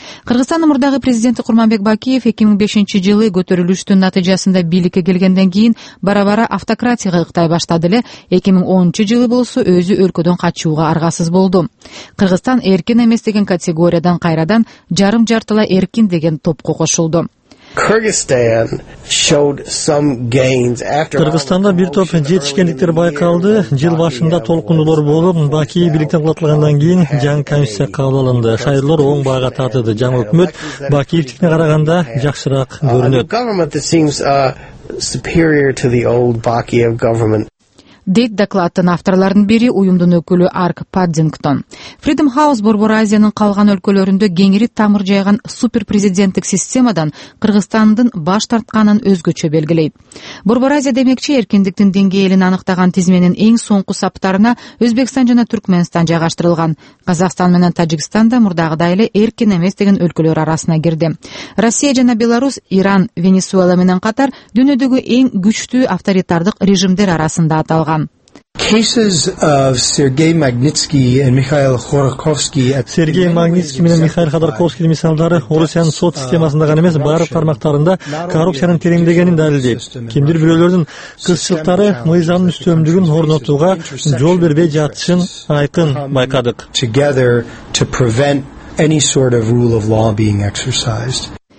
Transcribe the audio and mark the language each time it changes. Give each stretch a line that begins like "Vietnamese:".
Kyrgyz: Кыргызстандын мурдагы президенти Курманбек Бакиев 2005 жылы көтөрүлүштүн натыйжасында бийликке келгенден кийин бара-бара автократияга ыктай баштады эле 2010 жылы болсо өзү өлкөдөн качууга аргасыз болду. Кыргызстан эркин эмес деген категориядан кайрадан жарым жартылай эркин деген топко кошулду.
English: Kyrgyzstan showed some gains after
Kyrgyz: Кыргызстанда бир топ жетишкендиктер байкалды. Жыл башында толкундуулар болуп, Баки бийликтен кулатылгандан кийин жаңы комиссия кабылданды. Шайлоолор оң баага татыды. Жаңы өкмөт Бакиевдикине караганда жакшыраак көрүнөт. Дейт докладтын авторлорунун бири уюмдун өкүлү Арк Паддингтон. Freedom House Борбор Азиянын калган өлкөлөрүндө кеңири тамыр жайган суперпрезиденттик системадан Кыргызстандын баш тартканын өзгөчө белгилейт. Борбор Азия демекчи эркиндиктин деңгээлин аныктаган тизменин эң соңку саптарына Өзбекстан жана Түркмөнстан жайгаштырылган. Казакстан менен Тажикстан да мурдагыдай эле эркин эмес деген өлкөлөр арасына кирди. Россия жана Беларусь, Иран, Венесуэла менен катар дүйнөдөгү эң күчтүү авторитардык режимдер арасында аталган.
English: Cases of Sergei Magnitsky and Mikhail Khodorkovsky.
Kyrgyz: Sergei Magnitsky менен Михаил Ходорковский мисалдары Орусиянын сот системасында гана эмес, баардык тармактарында коррупциянын тереңдегенин далилдейт. Кимдир бирөөлөрдүн кызчылыктары мыйзамдын үстөмдүгүн орнотууга жол бербей жатышын айкын байкадык.
English: Together to prevent any sort of rule of law being exercised.